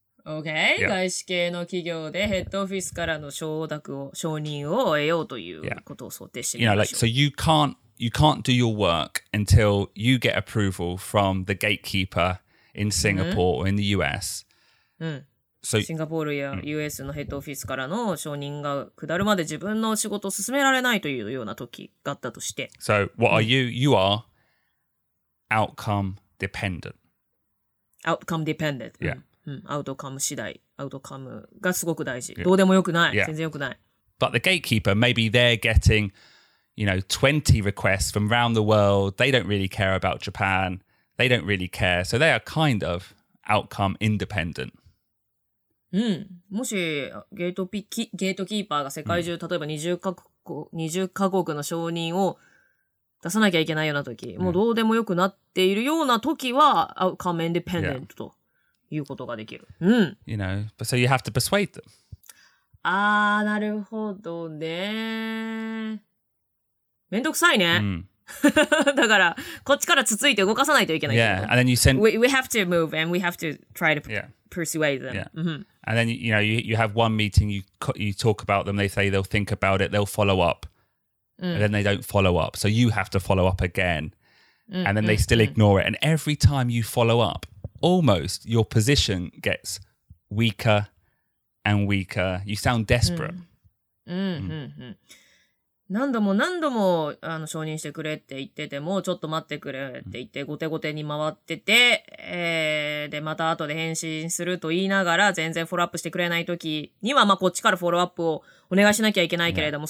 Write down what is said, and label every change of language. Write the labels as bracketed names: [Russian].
[Japanese] Okay, 外資系の企業でヘッドオフィスからの承諾を、承認を得ようということを想定してみましょう。 [English] You know, like, so you can't do your work until you get approval from the gatekeeper in Singapore、mm-hmm. or in the US. [Japanese] So, シンガポールや US のヘッドオフィスからの承認が下るまで自分の仕事を進められないというような時があったとして。 [English] So, what are you? You are outcome dependent. Outcome dependent. Yeah. [Japanese] Outcome 次第。Outcome がすごく大事。どうでもよくない。Yeah. 全然よくない。 [English] But the gatekeeper, maybe they're getting... You know, 20 requests from around the world. They don't really care about Japan. They don't really care. So they are kind of outcome independent. [Japanese] もしゲートキーパーが世界中、例えば20カ国の承認を出さなきゃいけないような時、もうどうでもよくなっているような時は outcome independent ということができる。 [English] You know, but so you have to persuade them. [Japanese] ああ、なるほどね。めんどくさいね。 Mm. だからこっちからつついて動かさないといけない。 [English] Yeah, and then you send. We have to move and we have to try to persuade them. Yeah. Mm-hmm. And then you know you have one meeting. You talk about them. They say they'll think about it. They'll follow up.、 Mm. And then they don't follow up. So you have to follow up again.、Mm-hmm. And then they still ignore it. And every time you follow up, almost your position gets weaker and weaker. You sound desperate. Mm-hmm. Mm-hmm. Mm-hmm. [Japanese] 何度も何度もあの承認してくれって言ってても、ちょっと待ってくれって言って、後手後手に回ってて、で、また後で返信すると言いながら、全然フォローアップしてくれないときには、まあ、こっちからフォローアップをお願いしなきゃいけないけれども、